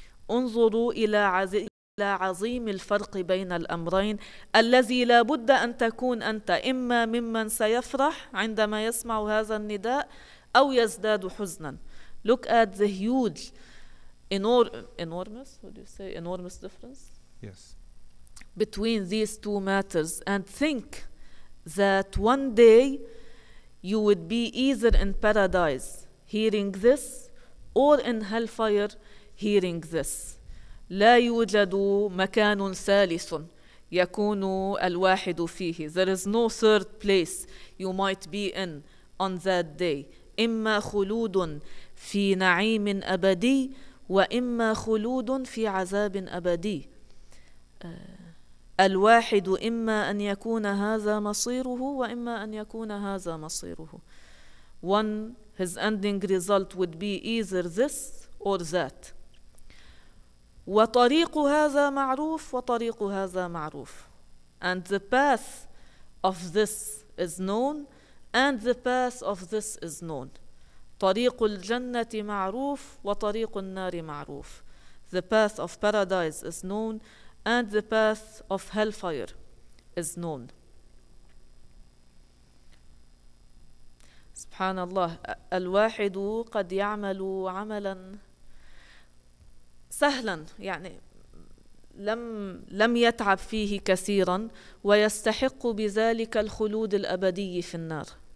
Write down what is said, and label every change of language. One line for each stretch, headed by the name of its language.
Arabic: انظروا إلى عظيم الفرق بين الأمرين الذي لا بد أن تكون أنت إما ممن سيفرح عندما يسمع هذا النداء أو يزداد حزنا.
English: Look at the huge, enormous, what do you say, enormous difference? Yes. Between these two matters and think that one day you would be either in paradise hearing this or in hellfire hearing this.
Arabic: لا يوجد مكان ثالث يكون الواحد فيه.
English: There is no third place you might be in on that day.
Arabic: إما خلود في نعيم أبدي وإما خلود في عذاب أبدي. الواحد إما أن يكون هذا مصيره وإما أن يكون هذا مصيره.
English: One, his ending result would be either this or that.
Arabic: وطريق هذا معروف وطريق هذا معروف.
English: And the path of this is known and the path of this is known.
Arabic: طريق الجنة معروف وطريق النار معروف.
English: The path of paradise is known and the path of hellfire is known.
Arabic: سبحان الله. الواحد قد يعمل عملا سهلا يعني لم يتعب فيه كثيرا ويستحق بذلك الخلود الأبدي في النار.